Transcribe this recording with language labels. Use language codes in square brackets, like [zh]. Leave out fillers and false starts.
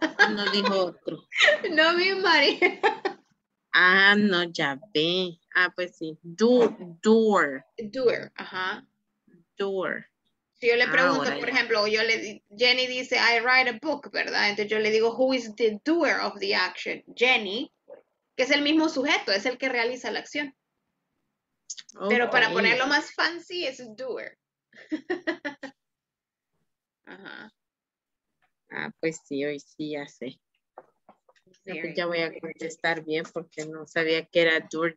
[es] No dijo otro. No, mi Mari. Ah, no, ya ve. Ah, pues sí. Doer. Doer, ajá. Doer. Si yo le pregunto, ahora, por ya. Ejemplo, yo le Jenny dice, [en] I write a book, [es] ¿verdad? Entonces yo le digo, [en] who is the doer of the action? [es] Jenny, que es el mismo sujeto, es el que realiza la acción. Okay. Pero para ponerlo más fancy, es doer. Ajá. Ah, pues sí, hoy sí, ya sé. Ya voy a contestar bien porque no sabía que era door.